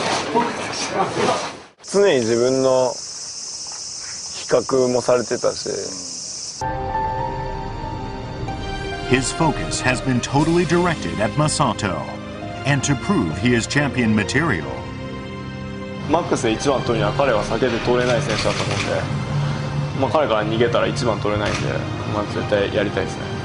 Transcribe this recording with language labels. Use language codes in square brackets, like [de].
[ja] 常に自分の比較もされてたし。 [en] His focus has been totally directed at Masato, and to prove he is champion material. [ja] Max で一番取るには彼は避けて取れない選手だと思うんで、まあ彼から逃げたら一番取れないんで、まあ絶対やりたいですね。